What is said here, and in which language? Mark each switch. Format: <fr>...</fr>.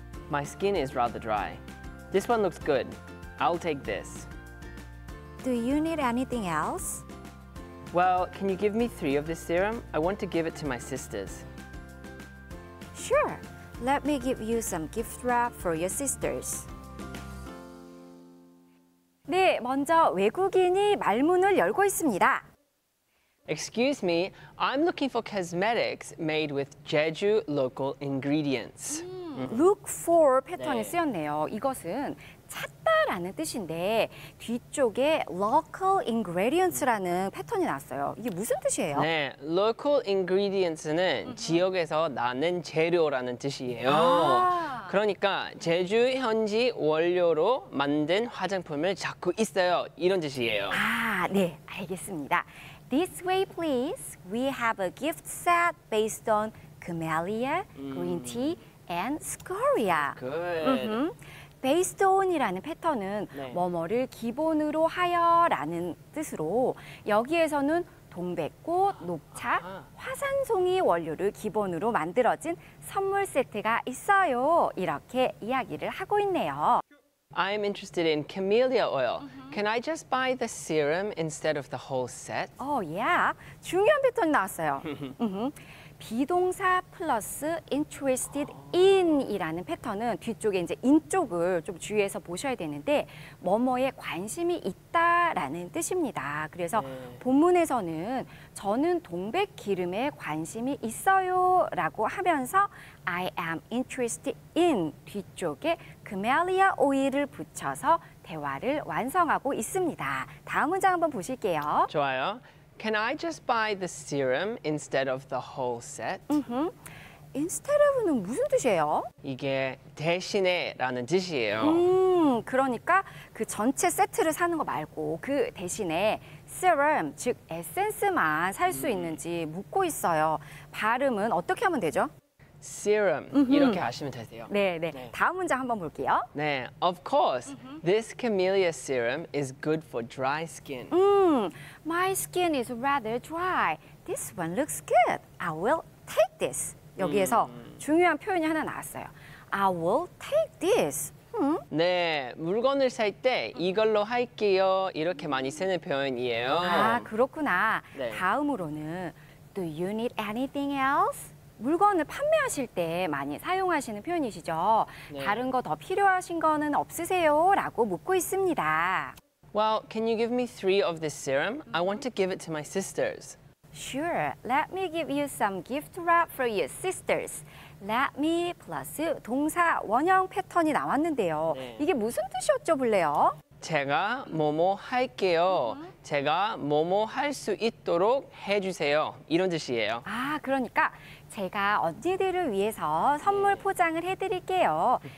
<en>My skin is rather dry. This one looks good. I'll take this. Do you need anything else? Well, can you give me 3 of this serum? I want to give it to my sisters. Sure. Let me give you some gift wrap for your sisters.</en> <ko>네, 먼저 외국인이 말문을 열고 있습니다.</ko> <en>Excuse me, I'm looking for cosmetics made with Jeju local ingredients.</en> <ko>Look for 패턴이 네. 쓰였네요. 이것은 찾다라는 뜻인데 뒤쪽에 local ingredients라는 패턴이 나왔어요. 이게 무슨 뜻이에요? 네, local ingredients는 지역에서 나는 재료라는 뜻이에요. 아. 그러니까 제주 현지 원료로 만든 화장품을 찾고 있어요. 이런 뜻이에요. 아, 네, 알겠습니다.</ko> <en>This way, please. We have a gift set based on camellia, green tea, and scoria. Good. Mm-hmm.</en> <ko>Based on이라는 패턴은 네. 뭐뭐를 기본으로 하여라는 뜻으로 여기에서는 동백꽃, 녹차, 아하. 화산송이 원료를 기본으로 만들어진 선물 세트가 있어요. 이렇게 이야기를 하고 있네요.</ko> <en>I'm interested in camellia oil. Can I just buy the serum instead of the whole set? Oh, yeah.</en> <ko>중요한 패턴 나왔어요. 비동사 플러스 interested in이라는 패턴은 뒤쪽에 이제 in 쪽을 좀 주의해서 보셔야 되는데 뭐뭐에 관심이 있다라는 뜻입니다. 그래서 네. 본문에서는 저는 동백 기름에 관심이 있어요라고 하면서</ko> <en>I am interested in</en> <ko>뒤쪽에 camellia oil을 붙여서 대화를 완성하고 있습니다. 다음 문장 한번 보실게요. 좋아요.</ko> <en>Can I just buy the serum instead of the whole set?</en> <ko>Mm-hmm. Instead of는 무슨 뜻이에요? 이게 대신에 라는 뜻이에요. 그러니까 그 전체 세트를 사는 거 말고 그 대신에 serum, 즉 에센스만 살 수 있는지 묻고 있어요. 발음은 어떻게 하면 되죠? Serum, 이렇게 하시면 되세요. 네. 다음 문장 한번 볼게요.</ko> <en>네, of course, this camellia serum is good for dry skin. My skin is rather dry. This one looks good. I will take this.</en> <ko>여기에서 중요한 표현이 하나 나왔어요.</ko> <en>I will take this.</en> <ko>네, 물건을 살 때 이걸로 할게요. 이렇게 많이 쓰는 표현이에요. 아, 그렇구나. 네. 다음으로는</ko> <en>Do you need anything else?</en> <ko>물건을 판매하실 때 많이 사용하시는 표현이시죠. 네. 다른 거 더 필요하신 거는 없으세요? 라고 묻고 있습니다.</ko> <en>Well, can you give me three of this serum? I want to give it to my sisters. Sure. Let me give you some gift wrap for your sisters.</en> <ko>Let me plus 동사 원형 패턴이 나왔는데요. 네. 이게 무슨 뜻이었죠, 블레어? 제가 뭐뭐 할게요. 제가 뭐뭐 할 수 있도록 해주세요. 이런 뜻이에요. 아, 그러니까 제가 언니들을 위해서 선물 포장을 해드릴게요.</ko>